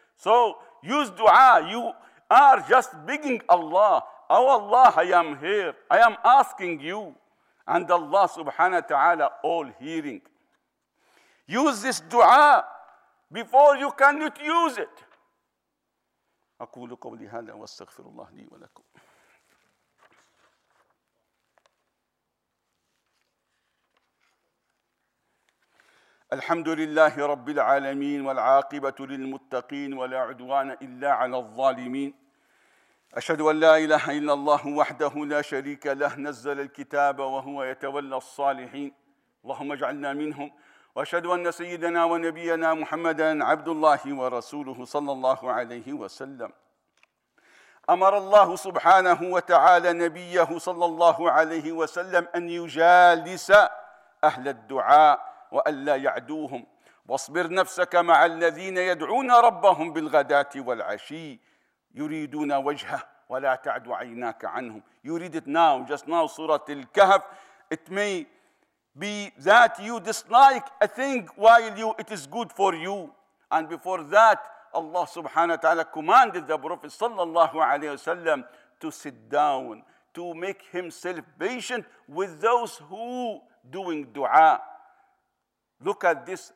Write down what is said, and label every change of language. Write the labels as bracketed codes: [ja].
[en] So use dua. You are just begging Allah, oh Allah, I am here, I am asking you, and Allah [ar] subhanahu wa ta'ala [en] all hearing. Use this dua before you cannot use it. [ar] أقول قولي هذا واستغفر الله لي ولكم. الحمد لله رب العالمين والعاقبة للمتقين ولا عدوان إلا على الظالمين. أشهد أن لا إله إلا الله وحده لا شريك له, نزل الكتاب وهو يتولى الصالحين, اللهم اجعلنا منهم. وأشهد أن سيدنا ونبينا محمدا عبد الله ورسوله صلى الله عليه وسلم. أمر الله سبحانه وتعالى نبيه صلى الله عليه وسلم أن يجالس أهل الدعاء وأن لا يعدوهم, واصبر نفسك مع الذين يدعون ربهم بالغداة والعشي يريدون وجهه ولا تعد عيناك عنهم. [en] You read it now, just now, سورة الكهف. It may be that you dislike a thing while you, it is good for you. And before that, Allah subhanahu wa ta'ala commanded the Prophet [ar] sallallahu alayhi wa sallam [en] to sit down, to make himself patient with those who doing dua. Look at this.